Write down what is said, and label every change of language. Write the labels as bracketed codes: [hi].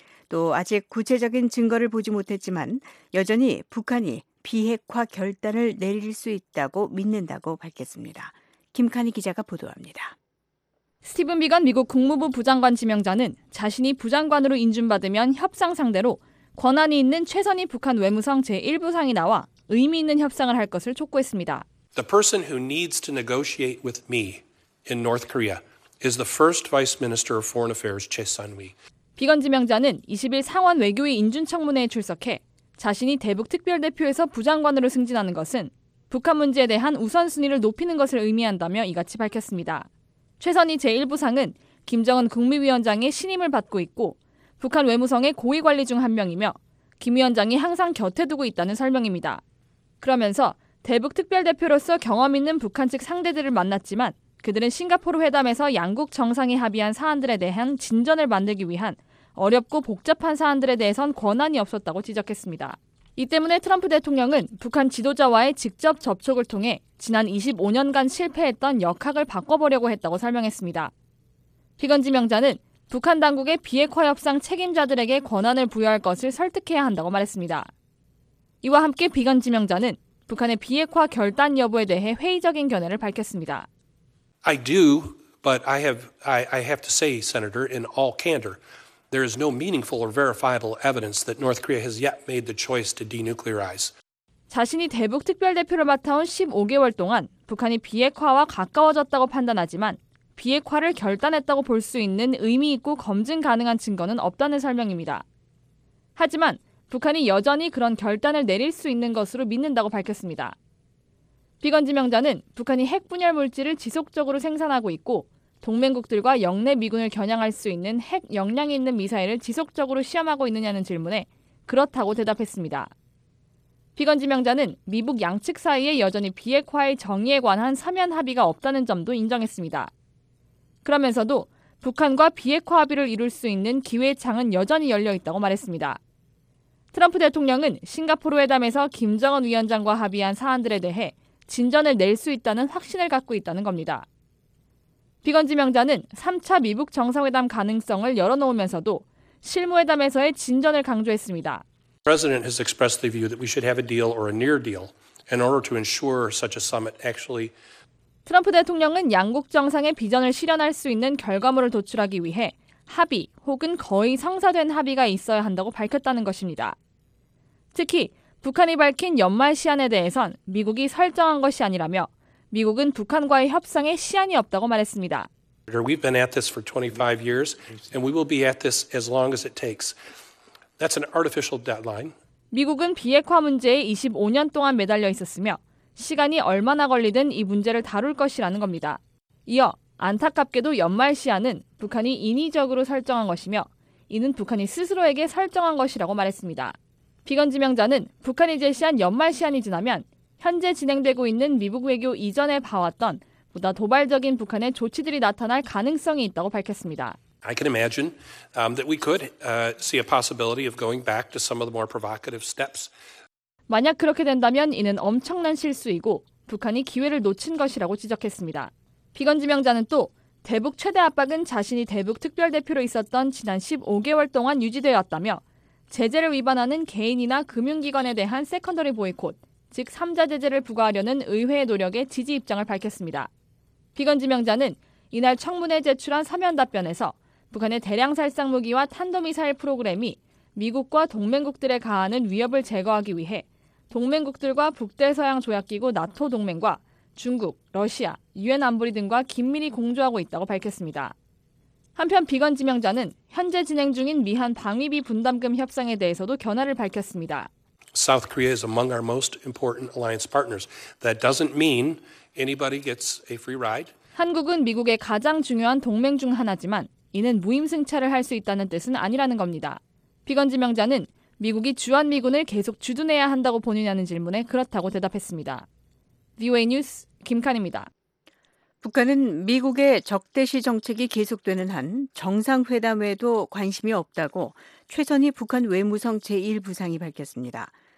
[ko] 또 아직 구체적인 증거를 보지 못했지만 여전히 북한이 비핵화 결단을 내릴 수 있다고 믿는다고 밝혔습니다. 김카니 기자가 보도합니다. 스티븐 비건 미국 국무부 부장관 지명자는 자신이 부장관으로 인준받으면 협상 상대로 권한이 있는 최선희 북한 외무성 제1부상이 나와 의미 있는 협상을 할 것을 촉구했습니다. [en] The person who needs to negotiate with me in North Korea is the first Vice Minister of Foreign Affairs, Choi Sun-hui. [ko] 비건 지명자는 20일 상원 외교위 인준청문회에 출석해 자신이 대북특별대표에서 부장관으로 승진하는 것은 북한 문제에 대한 우선순위를 높이는 것을 의미한다며 이같이 밝혔습니다. 최선희 제1부상은 김정은 국무위원장의 신임을 받고 있고 북한 외무성의 고위관리 중 한 명이며 김 위원장이 항상 곁에 두고 있다는 설명입니다. 그러면서 대북특별대표로서 경험 있는 북한 측 상대들을 만났지만 그들은 싱가포르 회담에서 양국 정상이 합의한 사안들에 대한 진전을 만들기 위한 어렵고 복잡한 사안들에 대해선 권한이 없었다고 지적했습니다. 이 때문에 트럼프 대통령은 북한 지도자와의 직접 접촉을 통해 지난 25년간 실패했던 역학을 바꿔보려고 했다고 설명했습니다. 비건 지명자는 북한 당국의 비핵화 협상 책임자들에게 권한을 부여할 것을 설득해야 한다고 말했습니다. 이와 함께 비건 지명자는 북한의 비핵화 결단 여부에 대해 회의적인 견해를 밝혔습니다. [en] I do, but I have to say, Senator, in all candor, there is no meaningful or verifiable evidence that North Korea has yet made the choice to denuclearize. [ko] 자신이 대북 특별대표를 맡아온 15개월 동안 북한이 비핵화와 가까워졌다고 판단하지만 비핵화를 결단했다고 볼 수 있는 의미 있고 검증 가능한 증거는 없다는 설명입니다. 하지만 북한이 여전히 그런 결단을 내릴 수 있는 것으로 믿는다고 밝혔습니다. 비건 지명자는 북한이 핵 분열 물질을 지속적으로 생산하고 있고 동맹국들과 영내 미군을 겨냥할 수 있는 핵 역량이 있는 미사일을 지속적으로 시험하고 있느냐는 질문에 그렇다고 대답했습니다. 비건 지명자는 미북 양측 사이에 여전히 비핵화의 정의에 관한 서면 합의가 없다는 점도 인정했습니다. 그러면서도 북한과 비핵화 합의를 이룰 수 있는 기회의 창은 여전히 열려있다고 말했습니다. 트럼프 대통령은 싱가포르 회담에서 김정은 위원장과 합의한 사안들에 대해 진전을 낼 수 있다는 확신을 갖고 있다는 겁니다. 비건 지명자는 3차 미북 정상회담 가능성을 열어놓으면서도 실무회담에서의 진전을 강조했습니다. [en] President has expressed the view that we should have a deal or a near deal in order to ensure such a summit actually. [ko] 트럼프 대통령은 양국 정상의 비전을 실현할 수 있는 결과물을 도출하기 위해 합의 혹은 거의 성사된 합의가 있어야 한다고 밝혔다는 것입니다. 특히 북한이 밝힌 연말 시한에 대해선 미국이 설정한 것이 아니라며 미국은 북한과의 협상에 시한이 없다고 말했습니다. [en] We've been at this for 25 years and we will be at this as long as it takes. That's an artificial deadline. [ko] 미국은 비핵화 문제에 25년 동안 매달려 있었으며 시간이 얼마나 걸리든 이 문제를 다룰 것이라는 겁니다. 이어 안타깝게도 연말 시한은 북한이 인위적으로 설정한 것이며 이는 북한이 스스로에게 설정한 것이라고 말했습니다. 비건 지명자는 북한이 제시한 연말 시한이 지나면 현재 진행되고 있는 미국 외교 이전에 봐왔던 보다 도발적인 북한의 조치들이 나타날 가능성이 있다고 밝혔습니다. [en] I can imagine that we could see a possibility of going back to some of the more provocative steps. [ko] 만약 그렇게 된다면 이는 엄청난 실수이고 북한이 기회를 놓친 것이라고 지적했습니다. 비건 지명자는 또 대북 최대 압박은 자신이 대북 특별대표로 있었던 지난 15개월 동안 유지되어 왔다며 제재를 위반하는 개인이나 금융기관에 대한 세컨더리 보이콧, 즉 3자 제재를 부과하려는 의회의 노력에 지지 입장을 밝혔습니다. 비건 지명자는 이날 청문회 제출한 서면 답변에서 북한의 대량 살상 무기와 탄도미사일 프로그램이 미국과 동맹국들에 가하는 위협을 제거하기 위해 동맹국들과 북대서양 조약기구 나토 동맹과 중국, 러시아, 유엔 안보리 등과 긴밀히 공조하고 있다고 밝혔습니다. 한편 비건 지명자는 현재 진행 중인 미한 방위비 분담금 협상에 대해서도 견해를 밝혔습니다. [en] South Korea is among our most important alliance partners. That doesn't mean anybody gets a free ride. [ko] 한국은 미국의 가장 중요한 동맹 중 하나지만 이는 무임승차를 할 수 있다는 뜻은 아니라는 겁니다. 비건 지명자는 미국이 주한미군을 계속 주둔해야 한다고 보느냐는 질문에 그렇다고 대답했습니다. VOA 뉴스 김칸입니다. 북한은 미국의 적대시 정책이 계속되는 한 정상회담에도 관심이 없다고 최선희 북한 외무성 제1부상이 밝혔습니다.